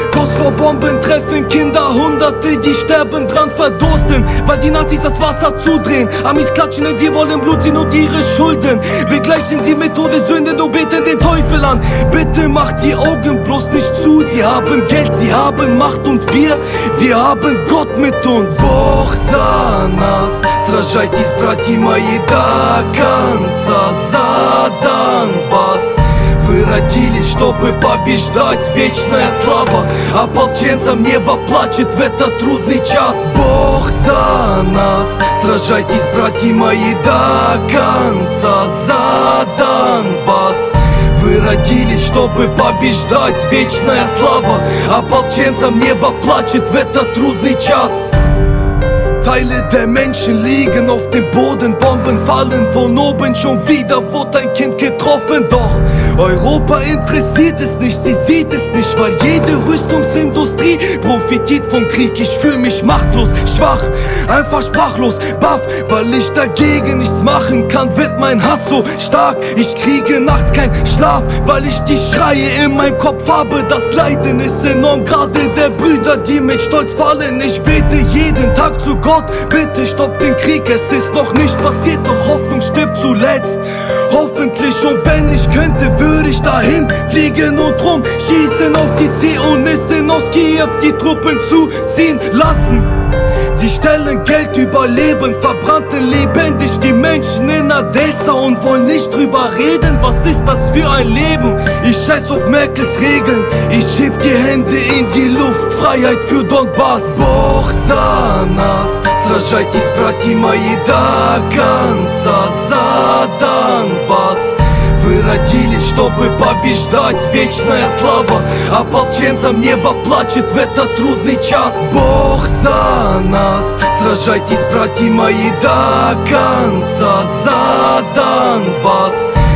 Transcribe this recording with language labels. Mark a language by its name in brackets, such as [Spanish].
[German] Kurz vor Bomben treffen Kinder, Hunderte, die sterben dran, verdursten, weil die Nazis das Wasser zudrehen. Amis klatschen, denn sie wollen Blut sehen und ihre Schulden. Begleichen sie mit Todesünden und beten den Teufel an. Bitte macht die Augen bloß nicht zu. Sie haben Geld, sie haben Macht und wir haben Gott mit uns. [Russian] Бог за нас, сражайтесь, братья мои, до конца за Донбасс. Вы родились, чтобы побеждать, вечная слава. Ополченцам небо плачет в этот трудный час. Бог за нас, сражайтесь, братья мои, до конца за Донбасс. Вы родились, чтобы побеждать, вечная слава. Ополченцам небо плачет в этот трудный час. [German] Teile der Menschen liegen auf dem Boden, Bomben fallen von oben, schon wieder wurde ein Kind getroffen. Doch Europa interessiert es nicht, sie sieht es nicht, weil jede Rüstungsindustrie profitiert vom Krieg. Ich fühl mich machtlos, schwach, einfach sprachlos, baff, weil ich dagegen nichts machen kann, wird mein Hass so stark. Ich kriege nachts keinen Schlaf, weil ich die Schreie in meinem Kopf habe. Das Leiden ist enorm, gerade der Brüder, die mit Stolz fallen. Ich bete jeden Tag zu Gott, bitte stopp den Krieg, es ist noch nicht passiert, doch Hoffnung stirbt zuletzt. Hoffentlich, und wenn ich könnte, würde ich dahin fliegen und rumschießen auf die Zionisten aus Kiew, die Truppen zuziehen lassen. Sie stellen Geld über Leben, verbrannten lebendig die Menschen in Odessa und wollen nicht drüber reden. Was ist das für ein Leben? Ich scheiß auf Merkels Regeln. Ich heb die Hände in die Luft, Freiheit für Donbass. [Russian] Бог за нас, сражайтесь, братья мои, до конца за Донбасс. Вы родились, чтобы побеждать, вечная слава. Ополченцам небо плачет в этот трудный час. Бог за нас, сражайтесь, братья мои, до конца за Донбасс.